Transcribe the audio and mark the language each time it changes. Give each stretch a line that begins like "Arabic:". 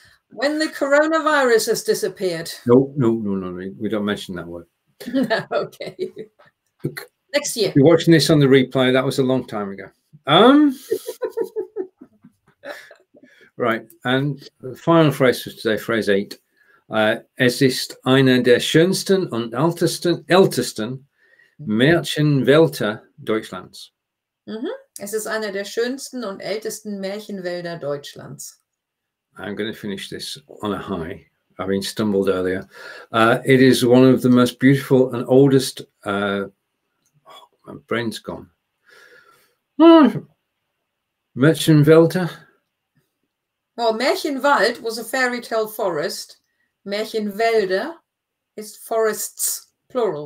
English: When the coronavirus has disappeared. No. We don't mention that word. No, okay. Look, next year. If you're watching this on the replay, that was a long time ago. Right, and the final phrase for today, phrase 8.
German: Es ist eine der schönsten und ältesten Märchenwälder Deutschlands. Mm-hmm. Es ist eine der schönsten und ältesten Märchenwälder Deutschlands.
English: I'm going to finish this on a high. I mean, stumbled earlier. It is one of the most beautiful and oldest... my brain's gone. Märchenwälder? Well, Märchenwald was a fairy tale forest. Märchenwälder is forests, plural.